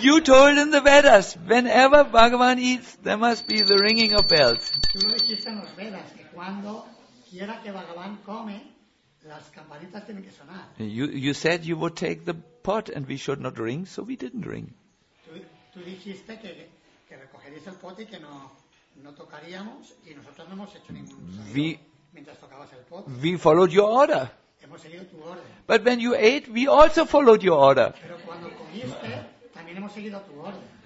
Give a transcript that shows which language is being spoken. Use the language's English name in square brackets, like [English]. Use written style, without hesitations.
[English] You told in the Vedas, whenever Bhagavan eats, there must be the ringing of bells. [Spanish] Tú lo dijiste en los Vedas, que cuando quiera que Bhagavan come, las campanitas tienen que sonar. [English] You said you would take the pot and we should not ring, so we didn't ring. [Spanish] Tú dijiste que recogerías el pote y que no tocaríamos, y nosotros no hemos hecho ningún sonido mientras tocabas el pote. [English] We followed your order. [Spanish] Hemos seguido tu orden. [English] But when you ate, we also followed your order. [Spanish] Pero cuando comiste, también hemos seguido tu orden.